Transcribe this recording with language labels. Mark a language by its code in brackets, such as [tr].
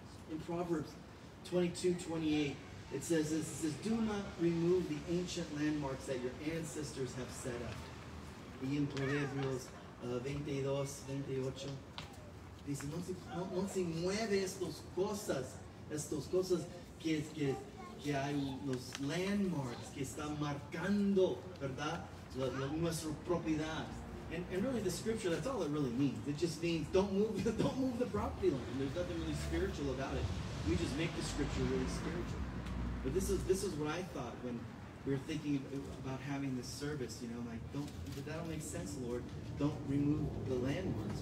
[en] In Proverbs 22:28, it says this. It says, do not remove the ancient landmarks that your ancestors have set up. [es] Y en Proverbios 22:28, dice, no se mueve estos cosas que que hay los landmarks que están marcando, ¿verdad? Nuestra propiedad. [en] And really, the scripture, that's all it really means. It just means don't move the property line. There's nothing really spiritual about it. We just make the scripture really spiritual. But this is what I thought when we were thinking about having this service. You know, like, that don't make sense, Lord. Don't remove the landmarks.